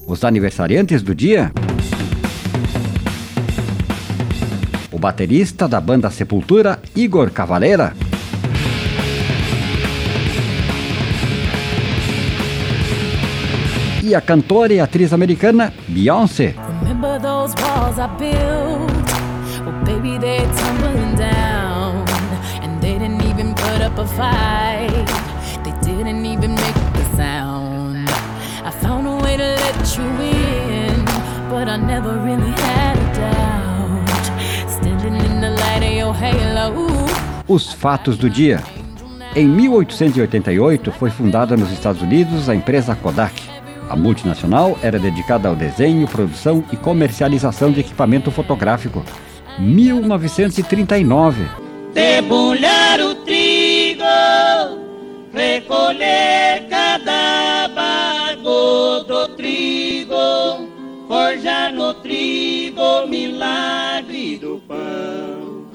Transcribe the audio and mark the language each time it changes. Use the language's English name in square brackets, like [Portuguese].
[Portuguese] Os aniversariantes do dia. O baterista da banda Sepultura, Igor Cavaleira. E a cantora e atriz americana Beyoncé. [English] Remember those walls I built? Oh, baby, they're tumbling down. And they didn't even put up a fight. They didn't even make the sound. I found a way to let you in, but I never really had a doubt. Standing in the light of your halo. [Portuguese] Os fatos do dia. Em 1888, foi fundada nos Estados Unidos a empresa Kodak. A multinacional era dedicada ao desenho, produção e comercialização de equipamento fotográfico. 1939. Debulhar o trigo, recolher cada bago do trigo, forjar no trigo o milagre do pão.